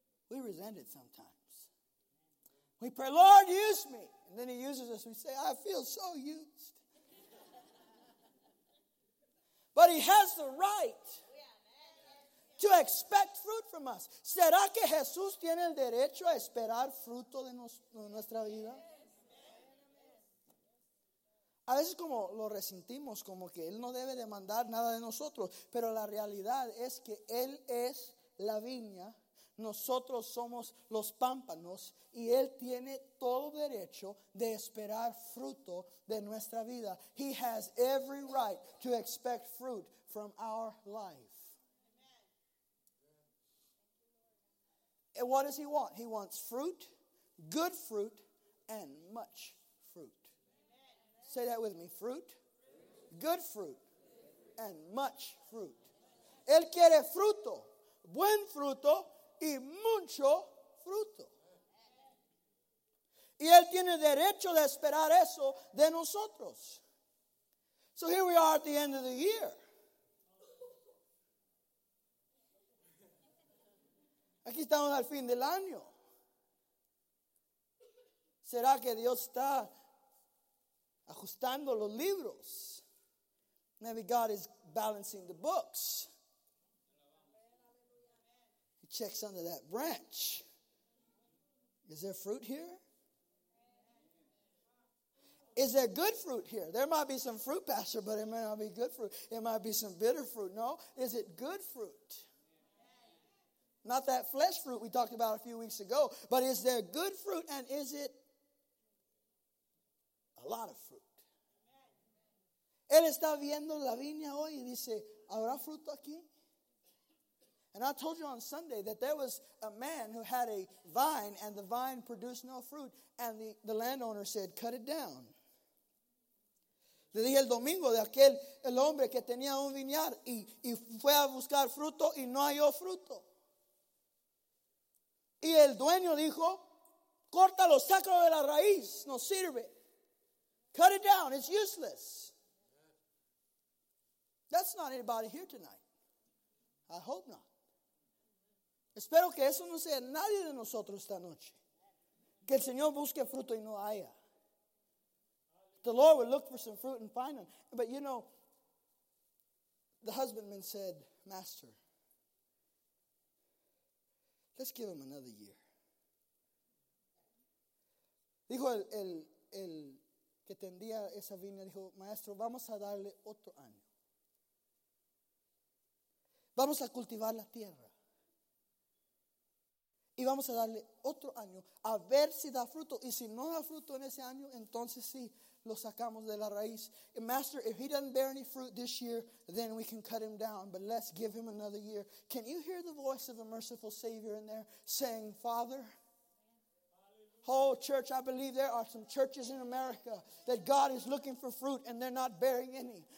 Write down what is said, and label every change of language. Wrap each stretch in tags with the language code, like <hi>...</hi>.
<en>We resent it sometimes. We pray, Lord, use me. And then he uses us. We say, I feel so used. But he has the right to expect fruit from us.</en> <es>¿Será que Jesús tiene el derecho a esperar fruto de nuestra vida? A veces como lo resentimos, como que Él no debe demandar nada de nosotros. Pero la realidad es que Él es la viña, nosotros somos los pámpanos, y Él tiene todo derecho de esperar fruto de nuestra vida.</es> <en>He has every right to expect fruit from our life. And what does He want? He wants fruit, good fruit, and much fruit. Say that with me. Fruit, good fruit, and much fruit.</en> <es>Él quiere fruto, buen fruto, y mucho fruto. Y Él tiene derecho de esperar eso de nosotros.</es> <en>So here we are at the end of the year.</en> <es>Aquí estamos al fin del año. ¿Será que Dios está ajustando los libros?</es> <en>Maybe God is balancing the books. He checks under that branch. Is there fruit here? Is there good fruit here? There might be some fruit, Pastor, but it may not be good fruit. It might be some bitter fruit. No, is it good fruit? Not that flesh fruit we talked about a few weeks ago, but is there good fruit, and is it a lot of fruit?</en> <es>Él está viendo la viña hoy y dice, ¿habrá fruto aquí?</es> <en>And I told you on Sunday that there was a man who had a vine and the vine produced no fruit. And the landowner said, cut it down.</en> <es>Le dije el domingo de aquel el hombre que tenía un viñar y fue a buscar fruto y no halló fruto. Y el dueño dijo, córtalo, sácalo de la raíz, no sirve.</es> <en>Cut it down, it's useless. That's not anybody here tonight. I hope not.</en> <es>Espero que eso no sea nadie de nosotros esta noche. Que el Señor busque fruto y no haya.</es> <en>The Lord would look for some fruit and find them. But you know, the husbandman said, Master, let's give him another year.</en> <es>Dijo el que tendía esa viña, dijo, Maestro, vamos a darle otro año. Vamos a cultivar la tierra. Y vamos a darle otro año a ver si da fruto. Y si no da fruto en ese año, entonces sí, lo sacamos de la raíz.</es> <en>And Master, if he doesn't bear any fruit this year, then we can cut him down. But let's give him another year. Can you hear the voice of a merciful Savior in there saying, Father? Oh, church, I believe there are some churches in America that God is looking for fruit and they're not bearing any.</en>